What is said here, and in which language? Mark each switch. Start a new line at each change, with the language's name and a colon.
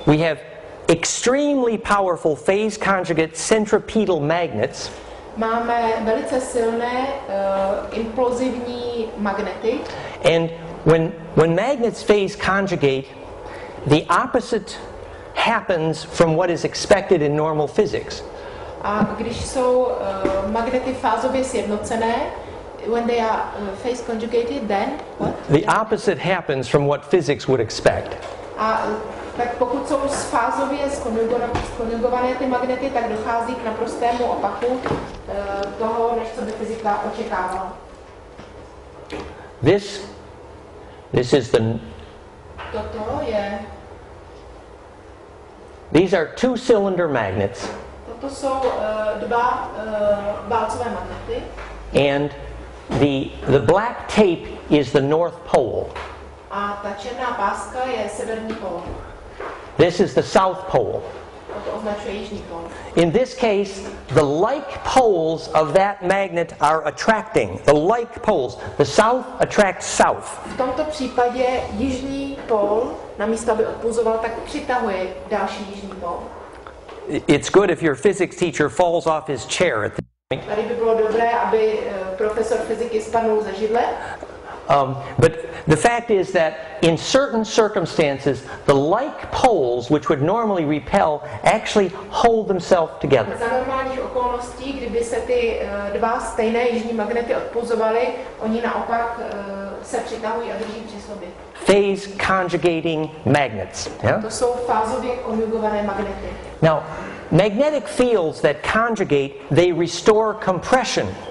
English: We have extremely powerful phase conjugate centripetal magnets.
Czech: Máme velice silné implozivní magnety.
English: And when magnets phase conjugate, the opposite happens from what is expected in normal physics.
Czech: A když jsou magnety fázově sjednocené,
English: when they are phase conjugated, then what? The opposite happens from what physics would expect.
Czech: A tak pokud jsou fázově skonjugované ty magnety, tak dochází k naprostému opaku toho, než co by fyzika očekávala.
English: This is the.
Czech: Toto je.
English: These are two cylinder magnets.
Czech: Toto jsou dva válcové magnety.
English: And the black tape is the North Pole.
Czech: A ta černá páska je severní pól.
English: This is the South Pole.
Czech: Toto označuje jižní pól.
English: In this case, the like poles of that magnet are attracting. The like poles. The south attracts south.
Czech: V tomto případě jižní pól, namísto aby odpouzoval, tak přitahuje další jižní pól.
English: It's good if your physics teacher falls off his chair at this point.
Czech: Tady by bylo dobré, aby profesor fyziky spadnul ze židle.
English: But the fact is that in certain circumstances, the like poles, which would normally repel, actually hold themselves together.
Czech: Za normálních okolností, kdyby se ty dva stejné jižní magnety odpouzovaly, oni naopak se přitahují a drží při sobě.
English: Phase conjugating magnets. Yeah?
Czech: To jsou fázově konjugované magnety.
English: Now, magnetic fields that conjugate, they restore compression.